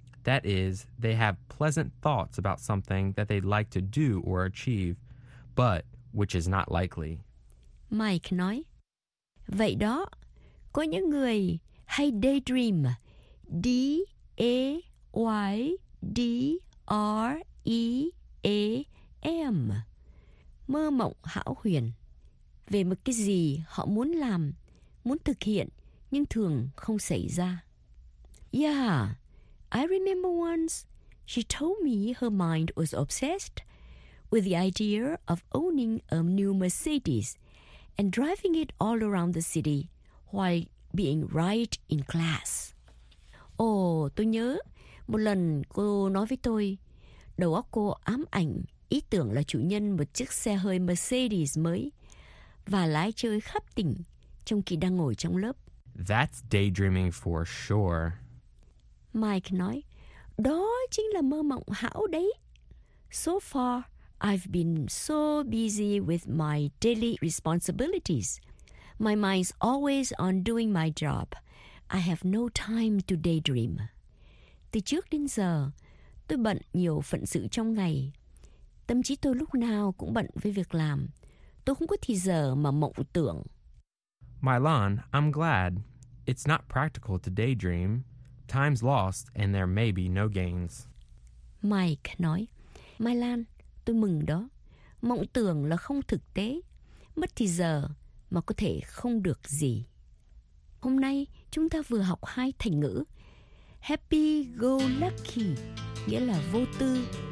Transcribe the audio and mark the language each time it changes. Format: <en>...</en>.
<en>That is, they have pleasant thoughts about something that they'd like to do or achieve, but which is not likely.</en> <vi>Mike nói, vậy đó, có những người hay daydream.</vi> <en>Daydream.</en> <vi>Mơ mộng hão huyền về một cái gì họ muốn làm, muốn thực hiện, nhưng thường không xảy ra.</vi> <en>Yeah, I remember once she told me her mind was obsessed with the idea of owning a new Mercedes and driving it all around the city while being right in class.</en> <vi>Oh, tôi nhớ một lần cô nói với tôi, đầu óc cô ám ảnh ý tưởng là chủ nhân một chiếc xe hơi Mercedes mới và lái chơi khắp tỉnh trong khi đang ngồi trong lớp.</vi> <en>That's daydreaming for sure.</en> <vi>Mike nói, đó chính là mơ mộng hão đấy.</vi> <en>So far, I've been so busy with my daily responsibilities. My mind's always on doing my job. I have no time to daydream.</en> <vi>Từ trước đến giờ, tôi bận nhiều phận sự trong ngày. Tâm trí tôi lúc nào cũng bận với việc làm. Tôi không có thì giờ mà mộng tưởng.</vi> <en>Mylon, I'm glad. It's not practical to daydream. Time's lost and there may be no gains.</en> <vi>Mike nói, Mylon, tôi mừng đó. Mộng tưởng là không thực tế. Mất thì giờ mà có thể không được gì. Hôm nay chúng ta vừa học hai thành ngữ. Happy go lucky nghĩa là vô tư.</vi>